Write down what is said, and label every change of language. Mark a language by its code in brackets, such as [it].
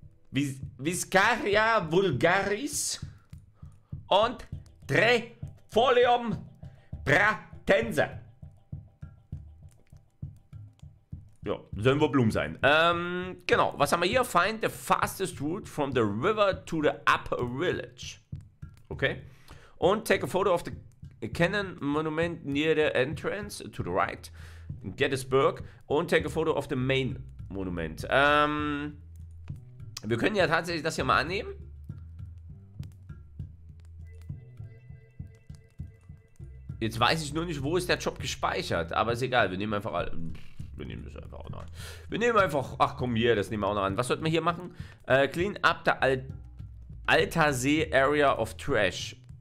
[la] Viscaria Vulgaris und Trefolium Pratense. [de] Ja, sollen wohl Blumen sein. Genau, was haben wir hier? [en] Find the fastest route from the river to the upper village. Okay. Und take a photo of the Cannon Monument near the entrance to the right. Gettysburg. Und take a photo of the main Monument. [de] Wir können ja tatsächlich das hier mal annehmen. Jetzt weiß ich nur nicht, wo ist der Job gespeichert. Aber ist egal, wir nehmen einfach alle. Wir nehmen das einfach auch noch an. Wir nehmen einfach, ach komm hier, das nehmen wir auch noch an. Was sollten wir hier machen? [en] Clean up the Altersee Area of Trash.